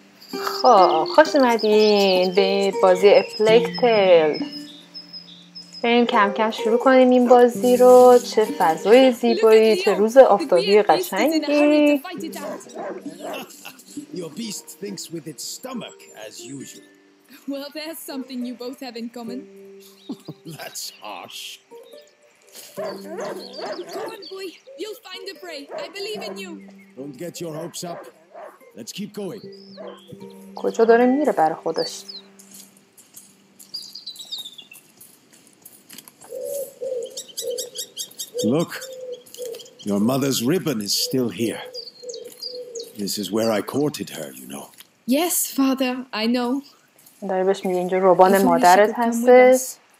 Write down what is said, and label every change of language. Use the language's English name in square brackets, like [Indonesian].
[Persian] خب خوش اومدین به بازی افلکتل. بریم کم کم شروع کنیم این بازی رو. چه فضای زیبایی، چه روز آفتابی قشنگی. [English] Your beast thinks with its stomach as usual. Well, there's something you both have in common. That's harsh. Come on, boy. You'll find the prey. I believe in you. Don't get your hopes up. Let's keep going. [Persian] کجا داره میره برای خودش؟ [English] Look. Your mother's ribbon is still here. This is where I courted her, you know. Yes, father, I know. [Persian] داره بهش میگه اینجا روبان مادرت هستش.